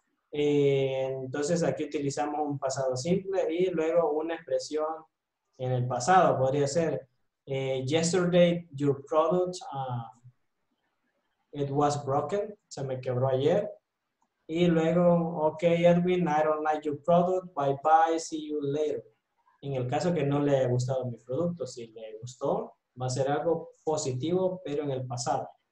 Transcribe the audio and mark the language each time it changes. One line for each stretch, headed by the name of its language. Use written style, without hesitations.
Spanish: Entonces aquí utilizamos un pasado simple y luego una expresión en el pasado. Podría ser,
English: yesterday your product, it was broken.
Spanish: Se me quebró ayer. Y luego,
English: okay, Edwin, I don't like your product. Bye bye. See you later.
Spanish: En el caso que no le haya gustado mi producto, si le gustó, va a ser algo positivo, pero en el pasado.